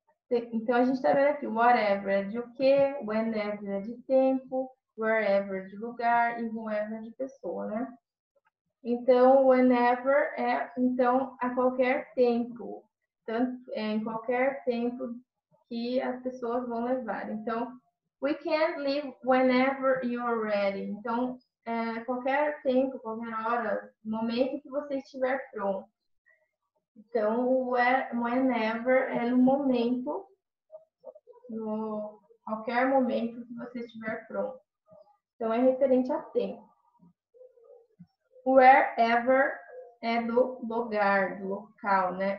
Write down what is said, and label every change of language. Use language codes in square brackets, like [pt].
[pt] Então, a gente está vendo aqui, whatever é de o quê, whenever é de tempo, wherever é de lugar e whoever é de pessoa, né? Então, whenever é, então, a qualquer tempo. Tanto é em qualquer tempo que as pessoas vão levar. [en] Então, we can leave whenever you are ready. [pt] Então, é qualquer tempo, qualquer hora, momento que você estiver pronto. Então, whenever é no momento. No qualquer momento que você estiver pronto. Então é referente a tempo. Wherever é do lugar, do local, né?